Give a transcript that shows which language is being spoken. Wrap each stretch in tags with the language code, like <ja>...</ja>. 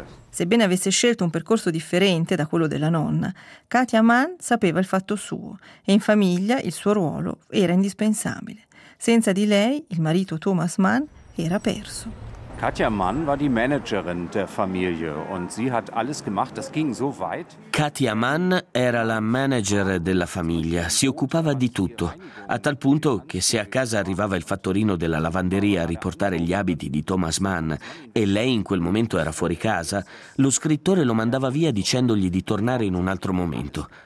<it>Sebbene avesse scelto un percorso differente da quello della nonna, Katja Mann sapeva il fatto suo e in famiglia il suo ruolo era indispensabile. Senza di lei, il marito Thomas Mann era perso.</it> <de>Katja Mann war die Managerin der Familie und sie hat alles gemacht, das ging so weit.</de> <it>Katja Mann era la manager della famiglia, si occupava di tutto, a tal punto che se a casa arrivava il fattorino della lavanderia a riportare gli abiti di Thomas Mann e lei in quel momento era fuori casa, lo scrittore lo mandava via dicendogli di tornare in un altro momento.</it>